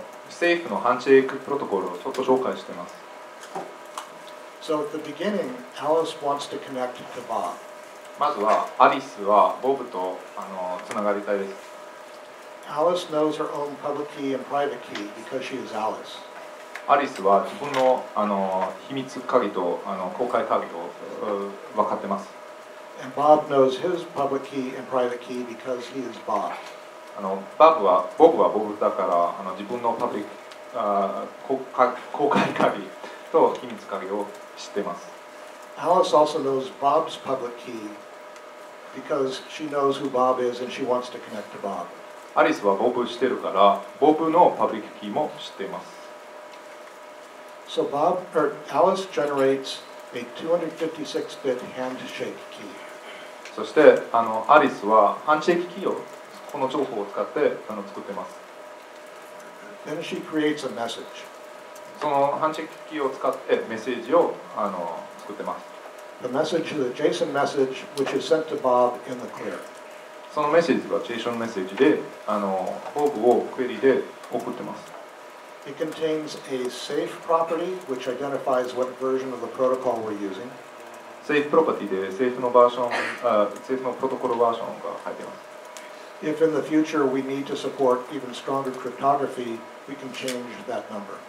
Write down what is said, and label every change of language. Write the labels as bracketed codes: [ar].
[ja] Seif のハンチェイクプロトコルをちょっと紹介しています。 [en] So at the beginning, Alice wants to connect to Bob. [ja] まずはアリスはボブとつながりたいです。 [en] Alice knows her own public key and private key because she is Alice. [ja] アリスは自分の秘密鍵と公開鍵を分かってます。 [en] And Bob knows his public key and private key because he is Bob. [ja] ボブはボブだから自分のパブリック、公開鍵と秘密鍵を知ってます。 [en] Alice also knows Bob's public key because she knows who Bob is and she wants to connect to Bob. [ja] アリスはボブ知ってるから、ボブのパブリックキーも知っています。 [en] So Bob, or Alice generates a 256-bit handshake key. [ja] そしてアリスはハンチェイクキーをこの情報を使って作ってます。 [en] Then she creates a message. [ja] そのハンチェイクキーを使ってメッセージを作ってます。 [en] The message is a JSON message which is sent to Bob in the clear. [ja] そのメッセージは JSON メッセージでボブをクエリで送ってます。 [en] It contains a safe property which identifies what version of the protocol we're using. [ja] セーフプロパティでセーフのバージョン、セーフのプロトコルバージョンが入っています。 [en] If in the future we need to support even stronger cryptography, we can change that number.